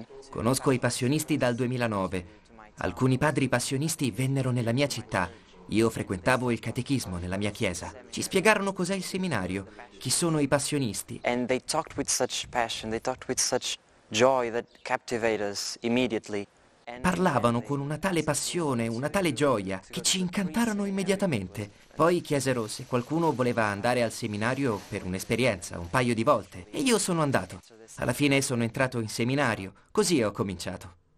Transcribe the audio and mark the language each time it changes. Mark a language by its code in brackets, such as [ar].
[it] Conosco i passionisti dal 2009. Alcuni padri passionisti vennero nella mia città Io frequentavo il catechismo nella mia chiesa. Ci spiegarono cos'è il seminario, chi sono i passionisti. [en] And they talked with such passion, they talked with such joy that captivated us immediately. [it] Parlavano con una tale passione, una tale gioia, che ci incantarono immediatamente. Poi chiesero se qualcuno voleva andare al seminario per un'esperienza, un paio di volte. E io sono andato. Alla fine sono entrato in seminario. Così ho cominciato.